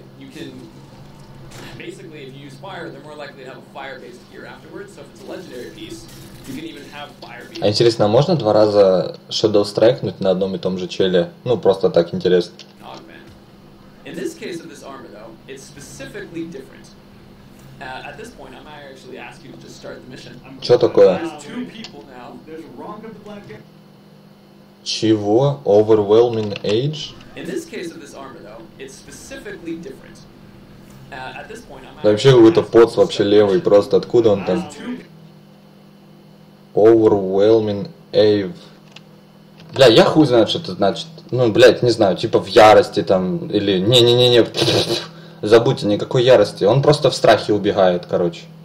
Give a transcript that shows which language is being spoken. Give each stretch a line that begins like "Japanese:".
English: can basically, if you use fire, they're more likely to have a fire-based gear afterwards. So if it's a legendary piece, you can even have fire.
Russian: А интересно, а можно два раза shadow strike'нуть на одном и том же челе? Ну просто так интересно.
English: Augment. In this case of this armor, though, it's specifically different. At this point, I might actually ask you to just start the mission.
Russian: Что такое?
English: There's two people now. There's Ronk of the Black Gate.
Russian: Чего?
English: Overwhelming age? In this case of this armor, though, it's specifically different. At this point, I'm
Russian: вообще какой-то поц вообще левый, просто откуда он там?
English: Overwhelming Ave.
Russian: Бля, я хуй знаю, что это значит. Ну, блядь, не знаю, типа в ярости там, или... Не-не-не-не, забудьте, никакой ярости. Он просто в страхе убегает, короче.